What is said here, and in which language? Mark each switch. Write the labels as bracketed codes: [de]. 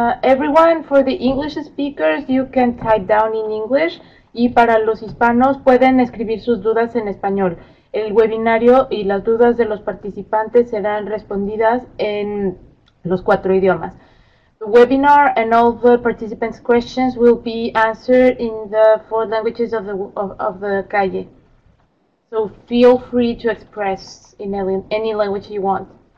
[en] Everyone, for the English speakers, you can type down in English. [es] Y para los hispanos, pueden escribir sus dudas en español. El webinario y las dudas de los participantes serán respondidas en los cuatro idiomas. [en] The webinar and all the participants' questions will be answered in the four languages of the CAIE. So feel free to express in any language you want.